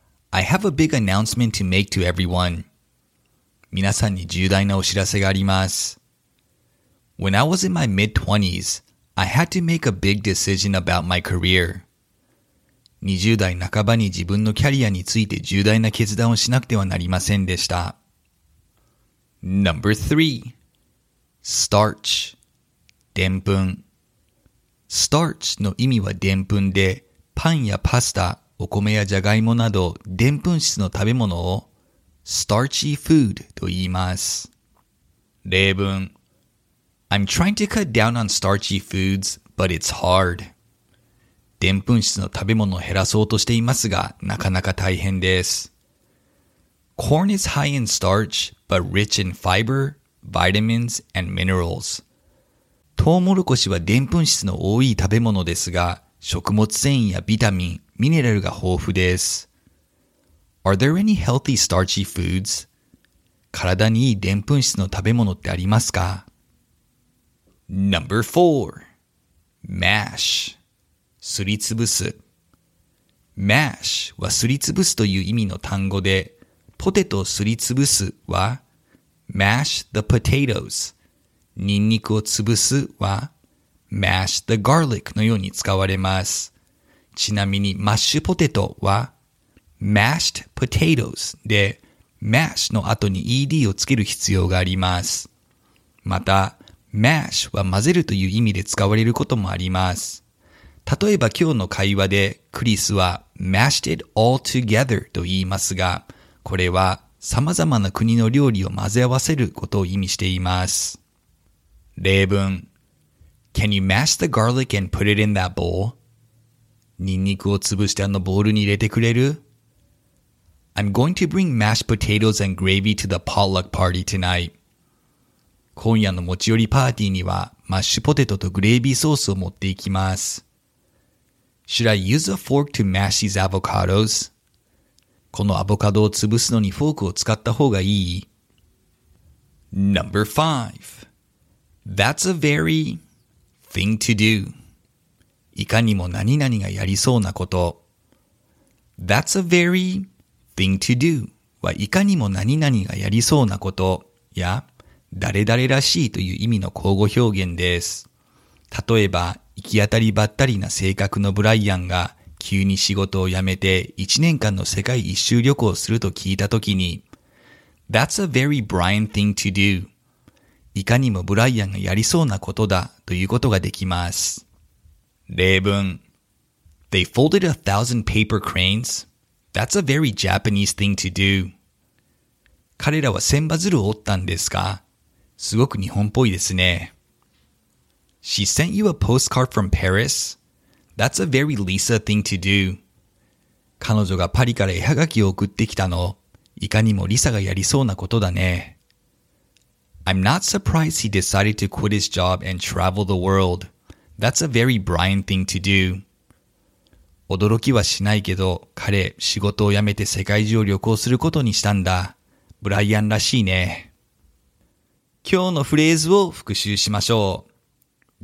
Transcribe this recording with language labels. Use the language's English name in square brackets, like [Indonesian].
[English] I have a big announcement to make to everyone. [Japanese] 皆さんに重大なお知らせがあります。 [English] When I was in my mid-20s, I had to make a big decision about my career. [Japanese] 20代半ばに自分のキャリアについて重大な決断をしなくてはなりませんでした。 [English] Number 3. Starch. [Japanese] でんぷん。 Starch の意味はでんぷんで、パンやパスタ、お米やジャガイモなど、でんぷん質の食べ物を [English] starchy food [Japanese] と言います。例文。 [English] I'm trying to cut down on starchy foods, but it's hard. [Japanese] でんぷん質の食べ物を減らそうとしていますが、なかなか大変です。 [English] Corn is high in starch, but rich in fiber, vitamins, and minerals. [Japanese] トウモロコシはでんぷん質の多い食べ物ですが、食物繊維やビタミン、ミネラルが豊富です。 [English] Are there any healthy starchy foods? [Japanese] 体にいいでんぷん質の食べ物ってありますか？ [English] Number 4. Mash. [Japanese] すりつぶす。 Mash はすりつぶすという意味の単語で、ポテトをすりつぶすは [English] mash the potatoes。 [Japanese] ニンニクをつぶすは [English] mash the garlic [Japanese] のように使われます。ちなみにマッシュポテトは [English] mashed potatoes [Japanese] で mash の後に ed をつける必要があります。また mash は混ぜるという意味で使われることもあります。例えば今日の会話でクリスは [English] mashed it all together [Japanese] と言いますが、これは様々な国の料理を混ぜ合わせることを意味しています。例文。 [English] Can you mash the garlic and put it in that bowl? [Japanese] ニンニクを潰してあのボウルに入れてくれる? [English] I'm going to bring mashed potatoes and gravy to the potluck party tonight. [Japanese] 今夜の持ち寄りパーティーにはマッシュポテトとグレービーソースを持っていきます。 [English] Should I use a fork to mash these avocados? [Japanese] このアボカドを潰すのにフォークを使った方がいい。 [English] Number 5. That's a very thing to do. [Japanese] いかにも何々がやりそうなこと。 [English] That's a very thing to do [Japanese] はいかにも何々がやりそうなことや誰々らしいという意味の口語表現です。例えば行き当たりばったりな性格のブライアンが急に仕事を辞めて1年間の世界一周旅行をすると聞いたときに [English] That's a very Brian thing to do. [Japanese] いかにもブライアンがやりそうなことだということができます。例文 [English] They folded 1,000 paper cranes. That's a very Japanese thing to do. [Japanese] 彼らは千羽鶴を折ったんですか？すごく日本っぽいですね。 [English] She sent you a postcard from Paris? That's a very Lisa thing to do. [Japanese] 彼女がパリから絵はがきを送ってきたの。いかにもリサがやりそうなことだね。 [English] I'm not surprised he decided to quit his job and travel the world. That's a very Brian thing to do. [Japanese] 驚きはしないけど、彼、仕事を辞めて世界中を旅行することにしたんだ。ブライアンらしいね。今日のフレーズを復習しましょう。